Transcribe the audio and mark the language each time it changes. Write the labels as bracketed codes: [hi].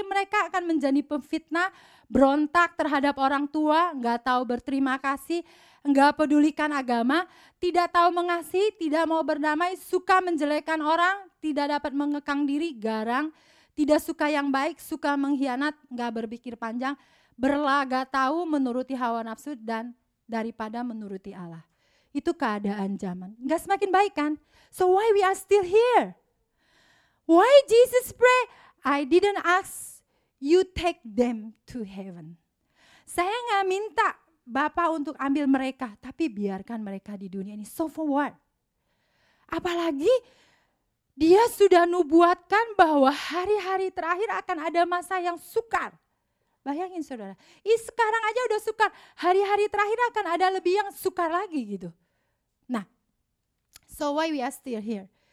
[id] Mereka akan menjadi pemfitnah, berontak terhadap orang tua, enggak tahu berterima kasih, enggak pedulikan agama, tidak tahu mengasihi, tidak mau berdamai, suka menjelekkan orang, tidak dapat mengekang diri, garang, tidak suka yang baik, suka mengkhianat, enggak berpikir panjang, berlagak tahu menuruti hawa nafsu dan daripada menuruti Allah. Itu keadaan zaman. Enggak semakin baik kan? [en] So why we are still here? Why Jesus pray, I didn't ask you take them to heaven. [id] Saya enggak minta Bapa untuk ambil mereka, tapi biarkan mereka di dunia ini. [en] So for what? [id] Apalagi dia sudah nubuatkan bahwa hari-hari terakhir akan ada masa yang sukar. Bayangin saudara, sekarang aja udah sukar, hari-hari terakhir akan ada lebih yang sukar lagi gitu. [en] Nah, so why we are still here?